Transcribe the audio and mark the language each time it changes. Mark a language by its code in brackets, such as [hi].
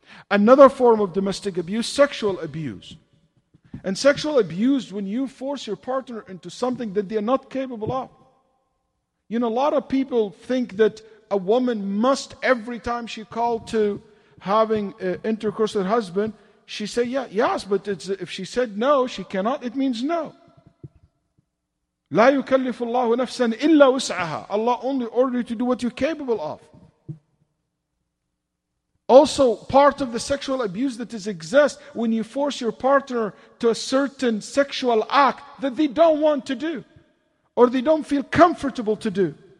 [en] Another form of domestic abuse, sexual abuse. And sexual abuse, when you force your partner into something that they are not capable of. You know, a lot of people think that a woman must, every time she called to having intercourse with her husband, she say, yeah, yes, but it's, if she said no, she cannot, it means no. [ar] لا يكلف الله نفسا إلا وسعها. [en] Allah only ordered you to do what you're capable of. Also, part of the sexual abuse that exists when you force your partner to a certain sexual act that they don't want to do, or they don't feel comfortable to do.